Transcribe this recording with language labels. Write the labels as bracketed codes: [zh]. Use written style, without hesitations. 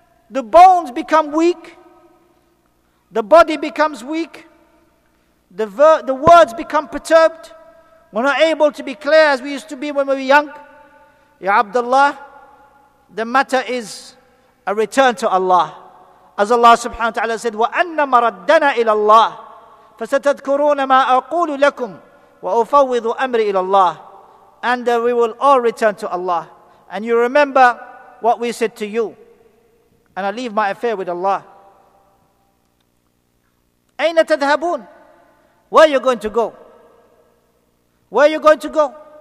[en] The bones become weak. The body becomes weak. The words become perturbed. We're not able to be clear as we used to be when we were young. Ya Abdullah, the matter is a return to Allah. As Allah subhanahu wa ta'ala said, [ar] وَأَنَّ مَرَدَّنَا إِلَى اللَّهِ فَسَتَذْكُرُونَ مَا أَقُولُ لَكُمْ وَأُفَوِّضُ أَمْرِ إِلَى اللَّهِ. [en] And we will all return to Allah. And you remember what we said to you. And I leave my affair with Allah. [ar] أَيْنَ تَذْهَبُونَ. [en] Where are you going to go? Where are you going to go?